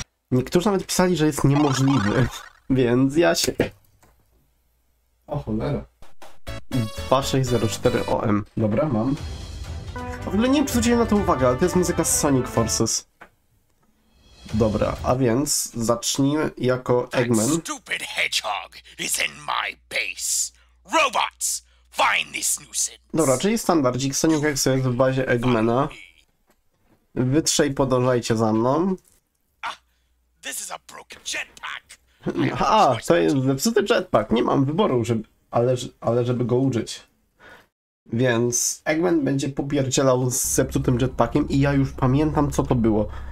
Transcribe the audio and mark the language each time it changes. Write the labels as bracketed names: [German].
[Polish] Niektórzy nawet pisali, że jest niemożliwy, więc ja się... O cholera. 2604 OM. Dobra, mam. W ogóle nie zwróciłem na to uwagę, ale to jest muzyka z Sonic Forces. Dobra, a więc zacznijmy jako Eggman. [English] That stupid hedgehog is in my base. Robots, find this nuisance. [Polish] Dobra, czyli standardzik. Sonic X jest w bazie Eggmana. Wy trzej podążajcie za mną. [English] This is a broken jetpack. [Polish] A, to jest zepsuty jetpack. Nie mam wyboru, żeby, ale żeby go użyć. Więc Eggman będzie popierdzielał z zepsutym jetpackiem i ja już pamiętam, co to było.